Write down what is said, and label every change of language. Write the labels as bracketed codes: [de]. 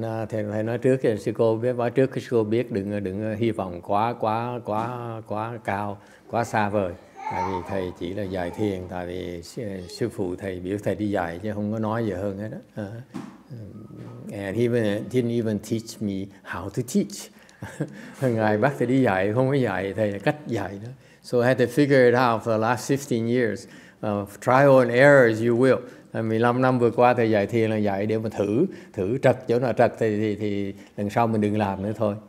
[vi] Thầy nói trước thì sư cô biết, nói trước sư cô biết đừng hy vọng quá cao, quá xa vời. Tại vì thầy chỉ là dạy thiền, tại vì sư phụ thầy biểu thầy đi dạy chứ không có nói gì hơn hết đó. [en] And he didn't even teach me how to teach. [vi] Ngài bắt thầy đi dạy, không có dạy thầy cách dạy đó. [en] So I had to figure it out for the last 15 years. Trial and error as you will. [vi] 15 năm vừa qua thầy dạy thiền là dạy để mà thử trật chỗ nào trật thì lần sau mình đừng làm nữa thôi.